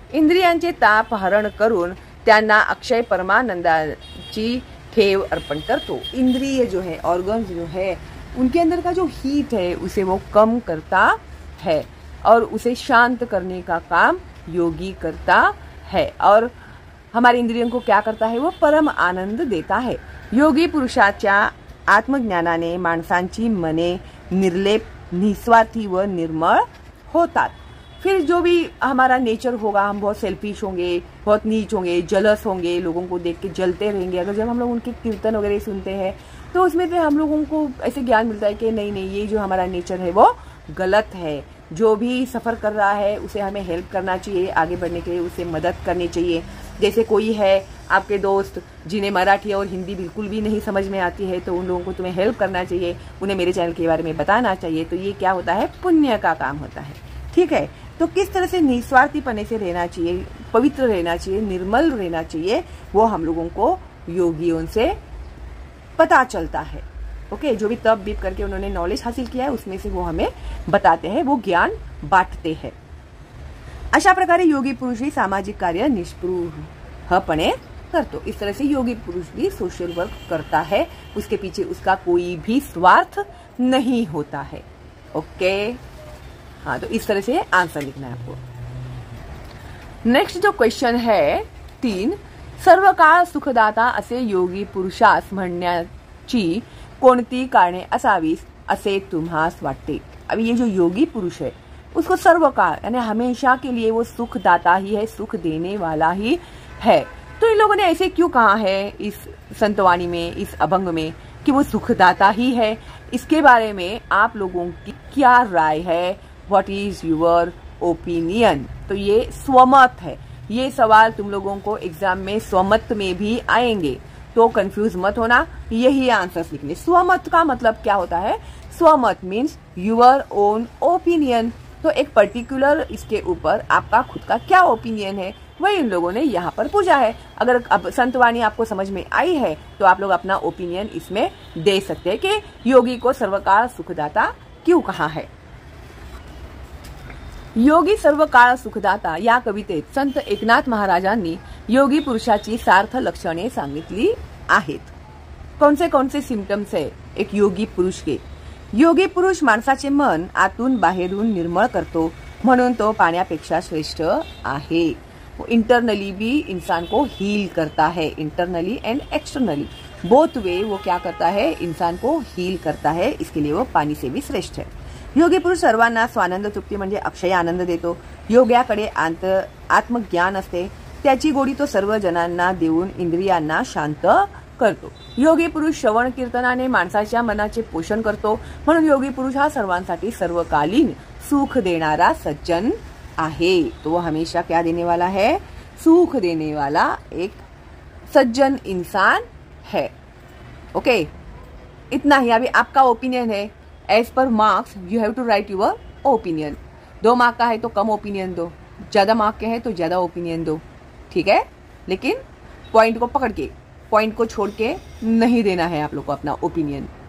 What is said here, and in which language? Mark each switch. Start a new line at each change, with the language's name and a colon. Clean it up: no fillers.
Marathi: इंद्रियांचे ताप हरण करून त्यांना अक्षय परमानंदाची ठेव अर्पण करतो,
Hindi: इंद्रिय जो है ऑर्गन्स जो है उनके अंदर का जो हीट है उसे वो कम करता है और उसे शांत करने का काम योगी करता है, और हमारे इंद्रियों को क्या करता है, वो परम आनंद देता है।
Marathi: योगी पुरुषाच्या आत्मज्ञानाने माणसांची मने निर्लेप निस्वार्थी व निर्मळ होतात।
Hindi: फिर जो भी हमारा नेचर होगा, हम बहुत सेल्फिश होंगे, बहुत नीच होंगे, जलस होंगे, लोगों को देख के जलते रहेंगे, अगर जब हम लोग उनके कीर्तन वगैरह सुनते हैं तो उसमें से हम लोगों को ऐसे ज्ञान मिलता है कि नहीं नहीं ये जो हमारा नेचर है वो गलत है, जो भी सफर कर रहा है उसे हमें हेल्प करना चाहिए आगे बढ़ने के लिए, उसे मदद करनी चाहिए। जैसे कोई है आपके दोस्त जिन्हें मराठी और हिंदी बिल्कुल भी नहीं समझ में आती है, तो उन लोगों को तुम्हें हेल्प करना चाहिए, उन्हें मेरे चैनल के बारे में बताना चाहिए, तो ये क्या होता है, पुण्य का काम होता है। ठीक है, तो किस तरह से निस्वार्थीपने से रहना चाहिए, पवित्र रहना चाहिए, निर्मल रहना चाहिए, वो हम लोगों को योगियों से पता चलता है। ओके जो भी तप बीप करके उन्होंने नॉलेज हासिल किया है उसमें से वो हमें बताते हैं, वो ज्ञान बांटते हैं।
Marathi: अशा प्रकारे योगी पुरुष ही सामाजिक कार्य निष्पृहपणे करतो।
Hindi: इस तरह से योगी पुरुष भी सोशल वर्क करता है, उसके पीछे उसका कोई भी स्वार्थ नहीं होता है। ओके, हाँ, तो इस तरह से आंसर लिखना है आपको।
Marathi: नेक्स्ट जो क्वेश्चन है 3, सर्व काळ सुखदाता असे योगी पुरुषास म्हणण्याची कोणती कारणे असावीस असे तुम्हास वाटते।
Hindi: अभी ये जो योगी पुरुष है उसको सर्व काळ यानी हमेशा के लिए वो सुखदाता ही है, सुख देने वाला ही है, तो इन लोगों ने ऐसे क्यों कहा है इस संतवाणी में, इस अभंग में, कि वो सुखदाता ही है। इसके बारे में आप लोगों की क्या राय है,
English: What is your opinion.
Hindi: तो ये स्वमत है, ये सवाल तुम लोगों को एग्जाम में स्वमत में भी आएंगे, तो कंफ्यूज मत होना, यही आंसर लिखने। स्वमत का मतलब क्या होता है, स्वमत मीन्स योर ओन ओपिनियन, तो एक पर्टिकुलर इसके ऊपर आपका खुद का क्या ओपिनियन है, वही इन लोगों ने यहाँ पर पूछा है। अगर अब संतवाणी आपको समझ में आई है तो आप लोग अपना ओपिनियन इसमें दे सकते हैं कि योगी को सर्वकाल सुखदाता क्यों कहा है।
Marathi: योगी सर्वकाळ सुखदाता या कवितेत संत एकनाथ महाराजांनी योगी पुरुषाची सार्थ लक्षणे सांगितली आहेत।
Hindi: कौन से सिम्पटम्स है एक योगी पुरुष के।
Marathi: योगी पुरुष माणसाचे मन आतून बाहेरून निर्मळ करतो, म्हणून तो पाण्यापेक्षा श्रेष्ठ आहे।
Hindi: इंटरनली भी इंसान को हील करता है, internally and externally both way वो क्या करता है, इंसान को हील करता है, इसके लिए वो पानी से भी श्रेष्ठ है।
Marathi: योगी पुरुष सर्वांना स्वानंद तृप्ती म्हणजे अक्षय आनंद देतो, योग्याकडे आत्मज्ञान असते, त्याची गोडी तो सर्व जनांना देऊन इंद्रियांना शांत करतो। योगी पुरुष श्रवण कीर्तनाने माणसाच्या मनाचे पोषण करतो, म्हणून योगी पुरुष हा सर्वांसाठी सर्वकालीन सुख देणारा सज्जन आहे,
Hindi: तो हमेशा क्या देने वाला है, सुख देने वाला एक सज्जन इंसान है। ओके, इतना ही, अभी आपका ओपिनियन है,
English: As per marks you have to write your opinion.
Hindi: 2 mark का है तो कम ओपिनियन दो, ज्यादा मार्क के हैं तो ज्यादा ओपिनियन दो, ठीक है, लेकिन पॉइंट को पकड़ के, पॉइंट को छोड़ के नहीं देना है आप लोग को अपना ओपिनियन।